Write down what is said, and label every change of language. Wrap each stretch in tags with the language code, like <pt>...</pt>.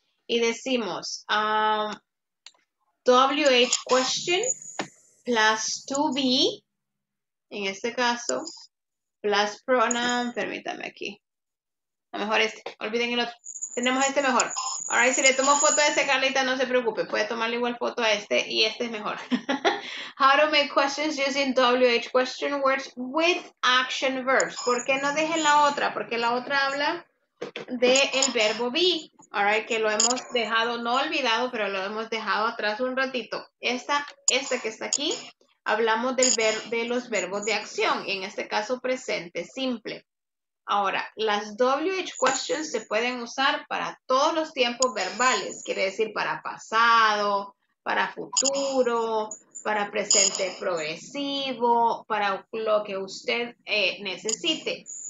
<es>Y decimos, WH question plus to be, en este caso, plus pronoun. Permítame aquí. A lo mejor este. Olviden el otro. Tenemos este mejor. All right, si le tomo foto a ese, Carlita, no se preocupe. Puede tomarle igual foto a este y este es mejor.</es> <en>How to make questions using WH question words with action verbs.</en> <es>¿Por qué no dejen la otra? Porque la otra habla del verbo be. All right, que lo hemos dejado, no olvidado, pero lo hemos dejado atrás un ratito. Esta que está aquí, hablamos de los verbos de acción. Y en este caso, presente simple. Ahora, las WH questions se pueden usar para todos los tiempos verbales, quiere decir para pasado, para futuro, para presente progresivo, para lo que usted necesite.</es>